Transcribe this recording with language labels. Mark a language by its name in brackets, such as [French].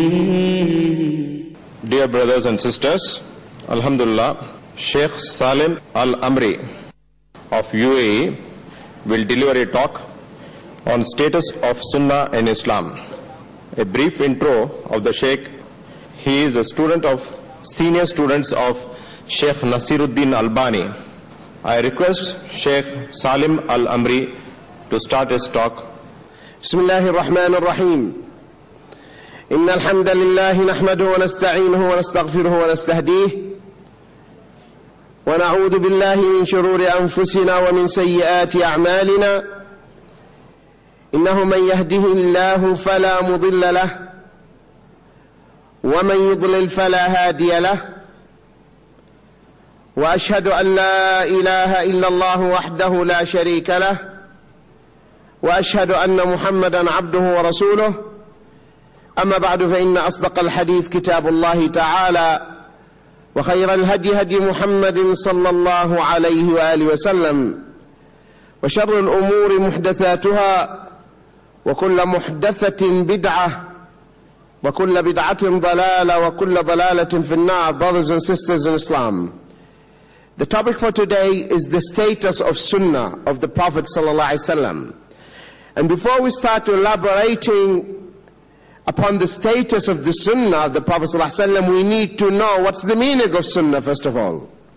[English] Dear brothers and sisters, Alhamdulillah, Sheikh Salem Al-Amry of UAE will deliver a talk on status of Sunnah in Islam. A brief intro of the Sheikh. He is a student of senior students of Sheikh Nasiruddin Albani. I request Sheikh Salem Al-Amry to start his talk. Bismillahir Rahmanir Rahim. [Arabic] إن الحمد لله نحمده ونستعينه ونستغفره ونستهديه ونعوذ بالله من شرور أنفسنا ومن سيئات أعمالنا إنه من يهده الله فلا مضل له ومن يضلل فلا هادي له وأشهد أن لا إله إلا الله وحده لا شريك له وأشهد أن محمدا عبده ورسوله أما بعد فإن أصدق الحديث كتاب الله تعالى وخير الهدي هدي محمد صلى الله عليه وآله وسلم وشر الأمور محدثاتها وكل محدثة بدعة وكل بدعة ضلالة وكل ضلالة في النار. [English] Brothers and sisters in Islam, the topic for today is the status of Sunnah of the Prophet [Arabic] صلى الله عليه وسلم. [English] And before we start elaborating upon the status of the Sunnah of the Prophet ﷺ, we need to know what's the meaning of Sunnah, first of all.